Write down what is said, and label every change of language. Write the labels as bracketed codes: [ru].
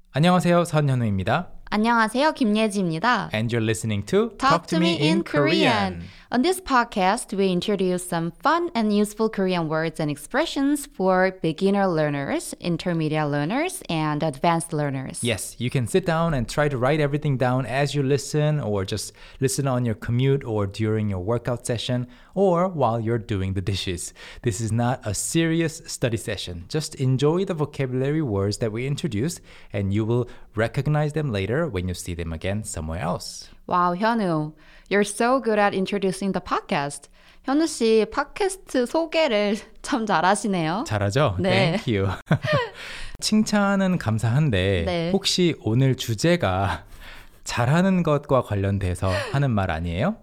[ko] 안녕하세요, 선현우입니다. 안녕하세요, 김예지입니다. [en] And you're listening to Talk to Me in Korean. On this podcast, we introduce some fun and useful Korean words and expressions for beginner learners, intermediate learners, and advanced learners. Yes, you can sit down and try to write everything down as you listen, or just listen on your commute or during your workout session, or while you're doing the dishes. This is not a serious study session. Just enjoy the vocabulary words that we introduce, and you will recognize them later when you see them again somewhere else. Wow, Hyunwoo, you're so good at introducing the podcast. [ko] 현우 씨, 팟캐스트 소개를 참 잘하시네요. 잘하죠? 네. [en] Thank you. [ko] 칭찬은 감사한데 네. 혹시 오늘 주제가 잘하는 것과 관련돼서 하는 말 아니에요?